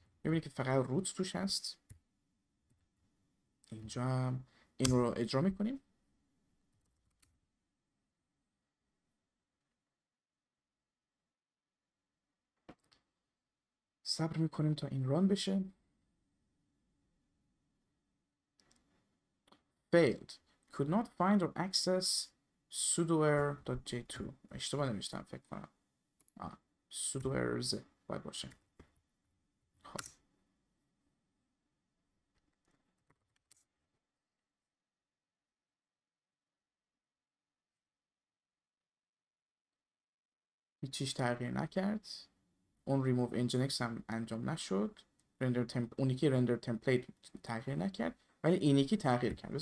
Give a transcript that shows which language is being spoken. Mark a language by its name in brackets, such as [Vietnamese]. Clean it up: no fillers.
[Persian] میبینی که فقط root توش هست. اینجا هم این رو اجرا میکنیم. صبر میکنیم تا این ران بشه. [English] failed could not find or access sudoer.j2. [Persian] اشتباه نمیشتم فکر کنم. sudoers باید باشه. خب هیچیش تغییر نکرد، اون ریموو انجینکس هم انجام نشد، رندر تمپ اونی که رندر تمپلیت تغییر نکرد، ولی اینی که تغییر کرد.